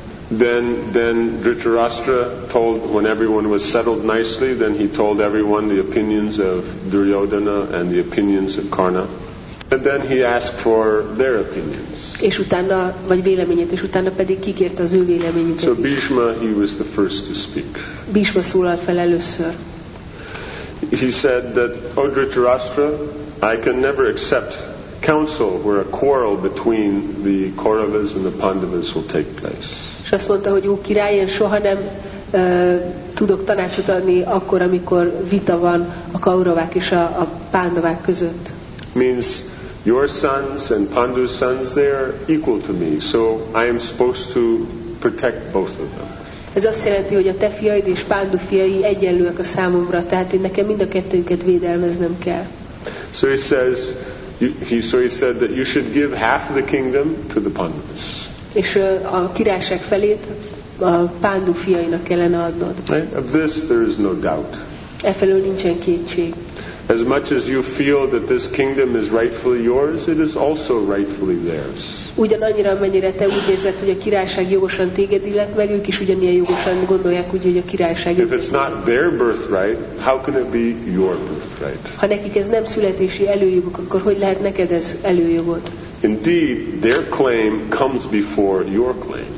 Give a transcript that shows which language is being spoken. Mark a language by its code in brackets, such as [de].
[en] Then Dhritarashtra told, when everyone was settled nicely, then he told everyone the opinions of Duryodhana and the opinions of Karna. And then he asked for their opinions. [hu] És utána, vagy véleményét, és utána pedig kikérte az ő véleményüket. [en] So Bhishma, he was the first to speak. [hu] Bhishma szólalt fel először. [en] He said that, O Dhritarashtra, I can never accept counsel where a quarrel between the Kauravas and the Pandavas will take place. [hu] És azt mondta, hogy ó király, én soha nem tudok tanácsot adni akkor, amikor vita van a Kauravák és a Pandavák között. [en] Means your sons and Pandu's sons, they are equal to me, so I am supposed to protect both of them. [hu] Ez azt jelenti, hogy a te fiaid és Pandu fiai egyenlőek a számomra, tehát én nekem mind a kettőket védelmeznem kell. [en] So he says, he said that you should give half the kingdom to the Pandavas. [hu] És a királyság felét a Pandu fiainak kellene adnod. [en] Right? Of this there is no doubt. [hu] Efelől nincsen kétség. [en] As much as you feel that this kingdom is rightfully yours, it is also rightfully theirs. [hu] Ugyanannyira, amennyire te úgy érzed, hogy a királyság jogosan téged illet, meg ők is ugyanilyen jogosan gondolják úgy, hogy a királyság. [en] If it's not their birthright, how can it be your birthright? [hu] Ha nekik ez nem születési előjoguk, akkor hogy lehet neked ez előjogod? [en] Indeed, their claim comes before your claim.